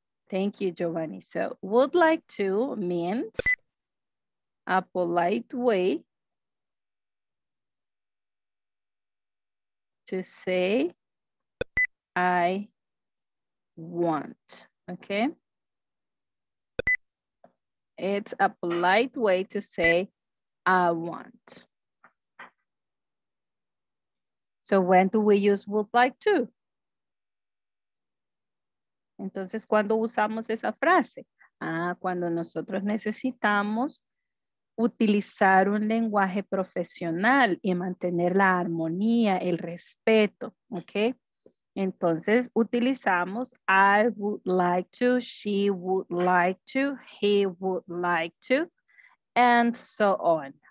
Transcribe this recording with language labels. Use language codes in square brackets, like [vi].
[en] Thank you, Giovanni. So, would like to means a polite way to say I want, okay? It's a polite way to say I want. So, when do we use would like to? [es] Entonces, ¿cuándo usamos esa frase? Ah, cuando nosotros necesitamos utilizar un lenguaje profesional y mantener la armonía, el respeto, ¿ok? Entonces utilizamos [en] I would like to, she would like to, he would like to, and so on.